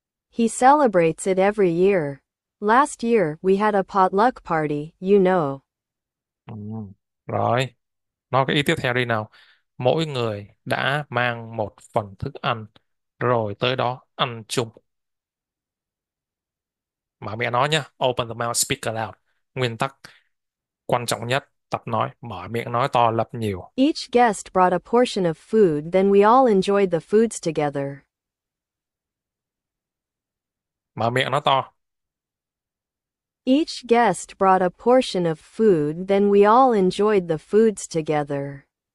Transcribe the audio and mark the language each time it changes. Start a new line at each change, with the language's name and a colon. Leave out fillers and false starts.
English: He celebrates it every year. Last year, we had a potluck party, you know.
Vietnamese: Rồi. Nói cái ý tiếp theo đi nào. Mỗi người đã mang một phần thức ăn rồi tới đó ăn chung. Mà mẹ nói nhá,
English: open the mouth, speak aloud.
Vietnamese: Nguyên tắc quan trọng nhất, tập nói, mở miệng nói to, lập nhiều.
English: Each guest brought a portion of food, then we all enjoyed the foods together.
Vietnamese: Mở miệng nói to.
English: Each guest brought a portion of food, then we all enjoyed the foods together.